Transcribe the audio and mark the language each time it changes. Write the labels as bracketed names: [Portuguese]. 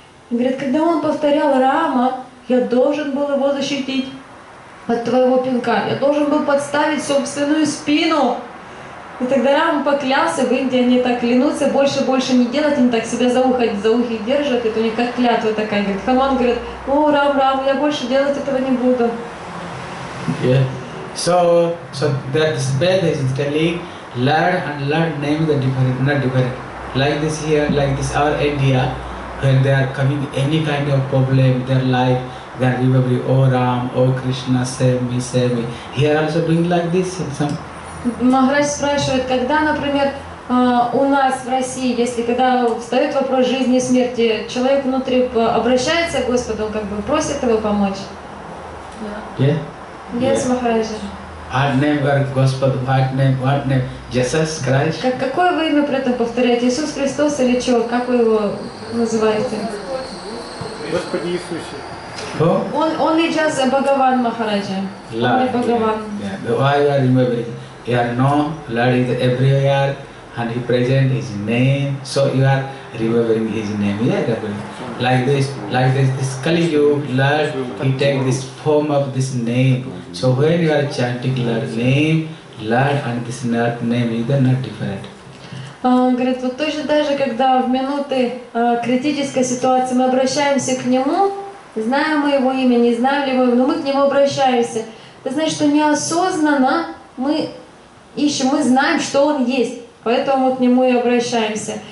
[Russian] Он говорит, когда он повторял Рама, я должен был его защитить от твоего пинка. Я должен был подставить собственную спину. И тогда Рама поклялся, в Индии они так клянутся, больше не делать, они так себя за ухи держат. Это у них как клятва такая. Говорит, Хануман говорит, о, Рам, я больше делать этого не буду. [English] So that this bed is telling Lord and Lord name is different, not different. Like this here, like this our India, when they are coming any kind of problem in their life, they are probably, oh Ram, oh Krishna, save me. Here also doing like this. [Russian] Махарадж спрашивает, когда, например, у нас в России, если когда встает вопрос жизни и смерти, человек внутри обращается к Господу, он как бы просит его помочь? [English] Yes, [Russian] Махараджа. [English] What name are [Russian] Господу? [English] What name? Jesus Christ? [Russian] Какое вы имя при этом повторяете? Иисус Христос или чего? Как вы его называете? Господи Иисусе. [English] Only just Бхагаван Махараджа. Why are you remembering? You are known, Lord is everywhere, and He present His name, so you are remembering His name. Yeah, like this Kali Yuga, Lord, He take this form of this name. So when you are chanting Lord's name, Lord and this name is not different. [Russian] Говорит, вот точно так же, когда в минуты критической ситуации мы обращаемся к Нему, знаем мы Его имя, не знаем ли мы, но мы к Нему обращаемся. Это значит, что неосознанно мы ищем, мы знаем, что Он есть, поэтому мы к Нему и обращаемся.